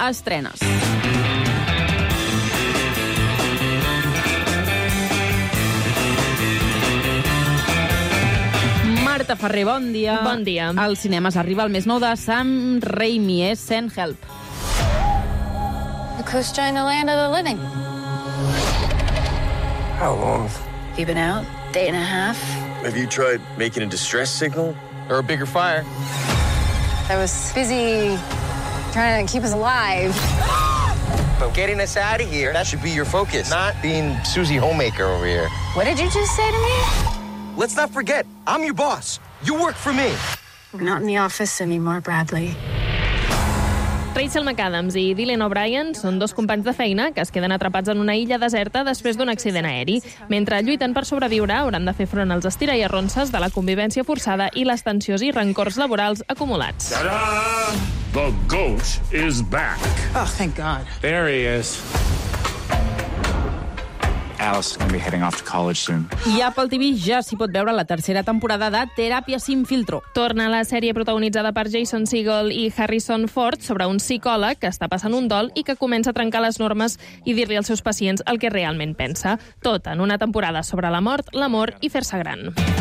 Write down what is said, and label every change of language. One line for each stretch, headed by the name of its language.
Catalan: Estrenes. Marta Ferrer, bon dia. Bon dia. Al cinema s'arriba el més nou de Sam Raimi, és Send Help.
English: Yokosuka in the land of the living. How long? Have you been out? Day and a half? Have you tried making a distress signal? Or a bigger fire? I was busy trying to keep us alive. But getting us out of here, that should be your focus. Not being Susie Homemaker over here. What did you just say to me? Let's not forget, I'm your boss. You work for me. I'm not in the office anymore, Bradley.
Catalan: Rachel McAdams i Dylan O'Brien són dos companys de feina que es queden atrapats en una illa deserta després d'un accident aeri. Mentre lluiten per sobreviure, hauran de fer front als estira i arronses de la convivència forçada i les tensions i rencors laborals acumulats.
English: Ta-da! The goat is back. Oh, thank God. There he is. Allison will be heading off to college soon.
Catalan: I Apple TV ja s'hi pot veure la tercera temporada de Teràpia sin filtro. Torna la sèrie protagonitzada per Jason Segel i Harrison Ford sobre un psicòleg que està passant un dol i que comença a trencar les normes i dir-li als seus pacients el que realment pensa. Tot en una temporada sobre la mort, l'amor i fer-se gran.